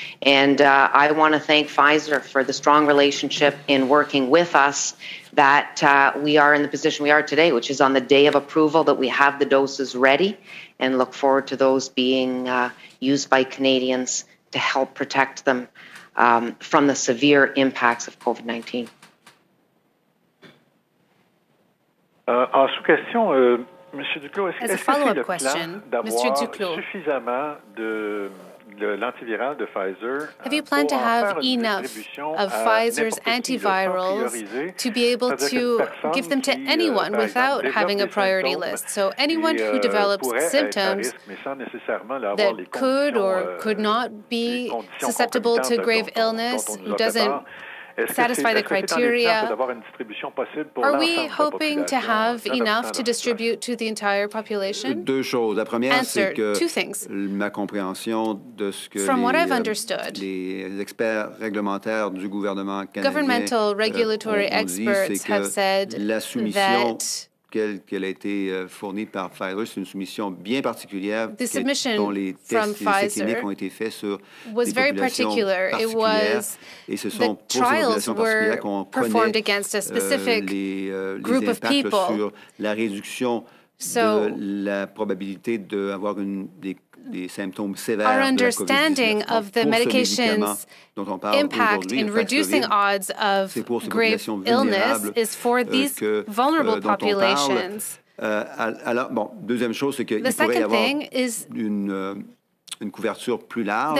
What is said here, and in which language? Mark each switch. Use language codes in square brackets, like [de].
[en] And I want to thank Pfizer for the strong relationship in working with us that we are in the position we are today, which is on the day of approval that we have the doses ready and look forward to those being used by Canadians to help protect them from the severe impacts of COVID-19. [fr] En sous-question, Monsieur Duclos, est-ce que c'est le plan d'avoir suffisamment de l'antiviral de Pfizer? [en] Have you planned to have enough of Pfizer's antivirals to be able to give them to anyone without having a priority list? So anyone who develops symptoms that could or could not be susceptible to grave illness, who doesn't satisfy the criteria, are we hoping to have enough to distribute to the entire population? Answer, two things. From what I've understood, governmental regulatory experts have said that [fr] qu'elle a été fournie par Pfizer, c'est une soumission bien particulière dont les tests cliniques ont été faits sur des populations particulières. Et ce sont pour ces populations particulières qu'on connaît les impacts sur la réduction de la probabilité d'avoir des symptômes sévères. [en] Our understanding [fr] de la [en] of the medication's impact in reducing odds of grave illness is for these vulnerable populations. [fr] Deuxième chose, c'est qu'il pourrait y avoir une couverture plus large